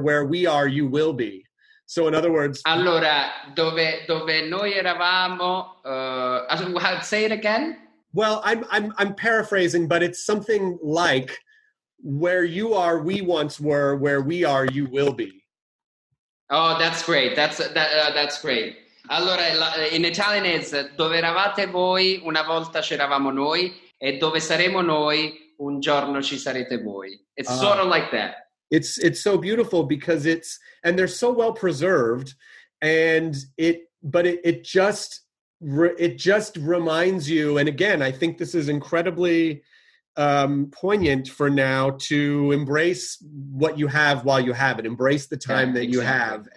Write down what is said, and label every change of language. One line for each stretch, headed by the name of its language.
English: Where we are, you will be." So, in other words,
Italian: allora dove noi eravamo?
English: I'll say it again. Well, I'm paraphrasing, but it's something like, where you are, we once were; where we are, you will be. Oh, that's great. That's great.
Italian: Allora,
English: in Italian is
Italian: dove eravate voi una volta c'eravamo noi e dove saremo noi un giorno ci sarete voi.
English: It's sort of like that. It's so beautiful because it's, and they're so well preserved, and it just reminds you. And again, I think this is incredibly poignant for now, to embrace what you have while you have it, embrace the time you have.